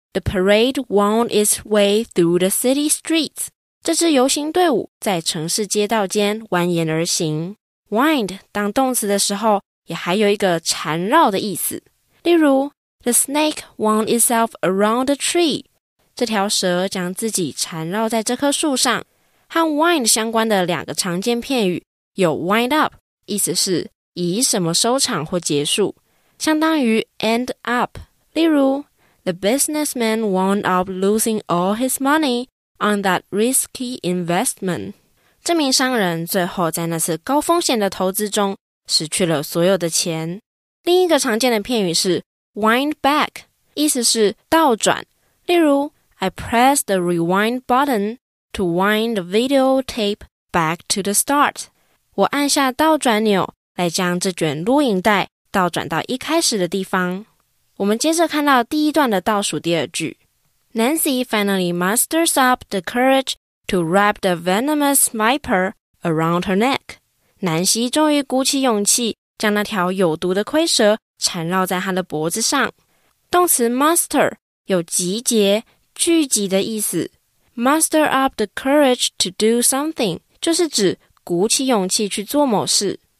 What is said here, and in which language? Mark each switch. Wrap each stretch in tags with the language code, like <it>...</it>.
<en>The parade wound its way through the city streets.</en> <zh>这支游行队伍在城市街道间蜿蜒而行。 Wind 当动词的时候也还有一个缠绕的意思。例如</zh> <en>The snake wound itself around the tree.</en> <zh>这条蛇将自己缠绕在这棵树上。和 wind 相关的两个常见片语有 wind up, 意思是以什么收场或结束。相当于</zh> <en>end up,</en> <zh>例如</zh> <en>The businessman wound up losing all his money on that risky investment.</en> <zh>这名商人最后在那次高风险的投资中失去了所有的钱。另一个常见的片语是 wind back, 意思是倒转。例如</zh> <en>I pressed the rewind button to wind the videotape back to the start.</en> <zh>我按下倒转钮来将这卷录影带倒转到一开始的地方。我们接着看到第一段的倒数第二句。</zh> <en>Nancy finally musters up the courage to wrap the venomous viper around her neck.</en> <zh>南希终于鼓起勇气将那条有毒的蝰蛇缠绕在她的脖子上。动词 muster 有集结、聚集的意思。</zh> <en>Muster up the courage to do something</en> <zh>就是指鼓起勇气去做某事。</zh>